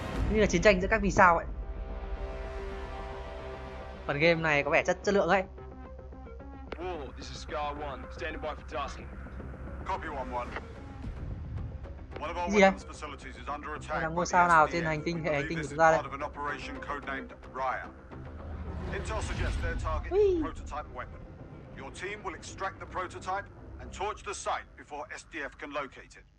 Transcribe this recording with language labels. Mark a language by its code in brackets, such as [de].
[vi] Như là chiến tranh giữa các vì sao ấy. Phần game này có vẻ chất lượng ấy. [en] This is Scar One, standing by for tasking. Copy 1-1. One of our facilities is under attack. [vi] Đang ngôi sao nào trên hành tinh của chúng ta đây? [en] Intel suggests their target prototype weapon. Your team will extract the prototype and torch the site before SDF can locate it.